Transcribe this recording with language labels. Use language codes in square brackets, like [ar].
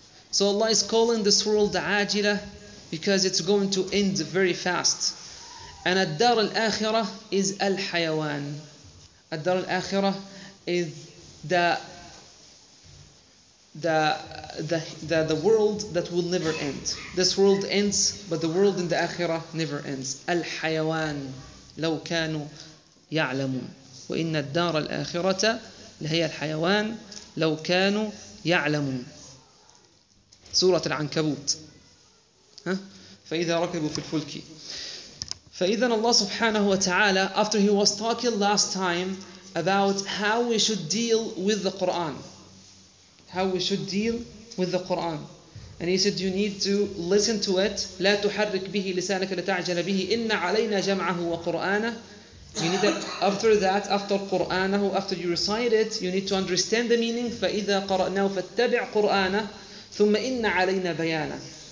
[en] So Allah is calling this world ajila because it's going to end very fast. And ad-dar al-akhirah is al-hayawan. Ad-dar al-akhirah is the world that will never end. This world ends, but the world in the akhirah never ends. [ar] Al hayawan, لو كانوا يعلمون. وإن الدار الآخرة لهي الحيوان لو كانوا يعلمون. سورة العنكبوت. فإذا ركبوا في الفلك. فإذا الله سبحانه وتعالى, [en] after he was talking last time about how we should deal with the Quran. How we should deal with the Quran. And he said, you need to listen to it. [ar] لا تحرك به لسانك لتعجل به إن علينا جمعه وقرآنه. [en] You need that, after that, after قرآنه, after you recite it, you need to understand the meaning. [ar] فإذا قرأناه فاتبع قرآنه ثم إن علينا بيانه.